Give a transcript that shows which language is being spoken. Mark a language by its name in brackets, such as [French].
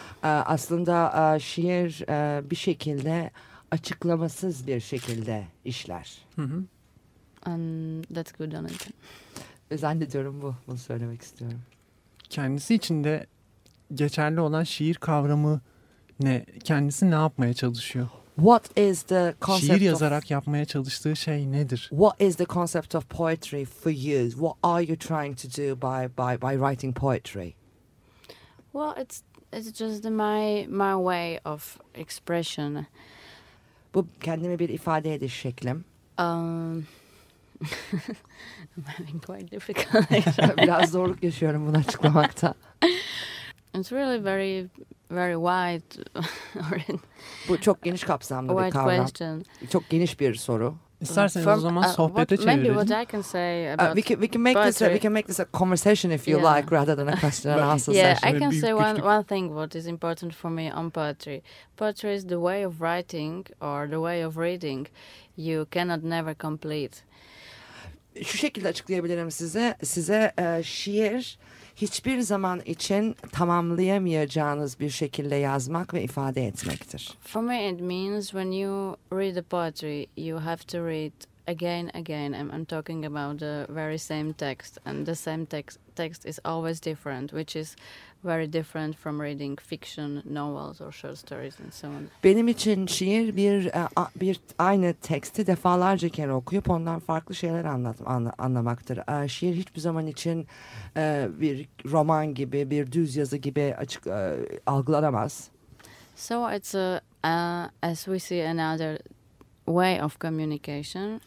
[Turkish] Aslında şiir bir şekilde açıklamasız bir şekilde işler. [English] And that's good on it. [Turkish] Zannediyorum bunu söylemek istiyorum. Kendisi için de geçerli olan şiir kavramı ne, kendisi ne yapmaya çalışıyor? [English] What is the concept? [Turkish] Şiir yazarak yapmaya çalıştığı şey nedir? [English] What is the concept of poetry for you? What are you trying to do by writing poetry? Well, it's just my way of expression. [Turkish] Bu kendime bir ifade ediş şeklim. [English] I'm having quite difficult. [Turkish] Biraz zorluk yaşıyorum bunu açıklamakta. [English] It's really very very wide. [Turkish] Bu çok geniş kapsamlı bir kavram. [English] Question. [Turkish] Çok geniş bir soru. İsterseniz o zaman sohbete çevirelim. [English] Maybe what I can say about we can make this a conversation if you like rather than a question and answer session. Yeah, I can say one thing what is important for me on poetry. Poetry is the way of writing or the way of reading you cannot never complete. [Turkish] Şu şekilde açıklayabilirim size şiir hiçbir zaman için tamamlayamayacağınız bir şekilde yazmak ve ifade etmektir. [English] For me it means when you read the poetry you have to read again again. I'm talking about the very same text and the same text is always different, which is very different from reading fiction, novels or short stories and so on. [Turkish] Benim için şiir bir aynı teksti defalarca kere okuyup ondan farklı şeyler anlamaktır. Şiir hiçbir zaman için bir roman gibi, bir düz yazı gibi açık algılanamaz. [English] So it's as we see another way of communication.